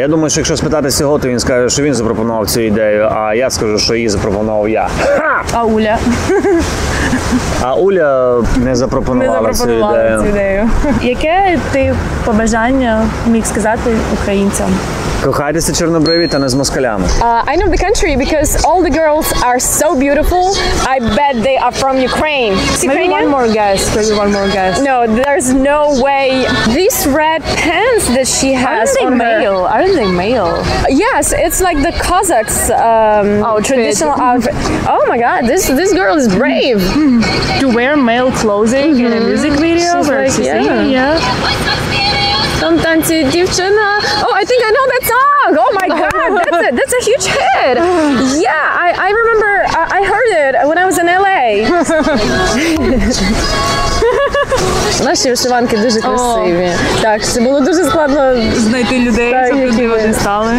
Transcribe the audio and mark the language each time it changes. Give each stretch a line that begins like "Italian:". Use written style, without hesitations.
Ukrainian: Я думаю, що якщо спитатися його, то він скаже, що він запропонував цю ідею, а я скажу, що її запропонував я. А Уля? А Уля не запропонувала цю ідею. Яке ти побажання міг сказати українцям? Кохайтеся чорнобриві та не з москалями.
English: I know the country because all the girls are so beautiful. I bet they are from Ukraine. Maybe one more guess. No, there's no way. These red pants that she has on male? Her. Aren't they male? Yes, it's like the Cossacks traditional outfit. Oh my god, this girl is brave. To wear male clothing in a music video? She's like, yeah.
Ukrainian: Там танці дівчина.
English: Oh, I think I know that song. Oh my god, that's a huge hit. Yeah, I remember I heard it when I was in LA.
Ukrainian: Наші вишиванки дуже красиві. Так, це було дуже складно знайти людей, які вони стали.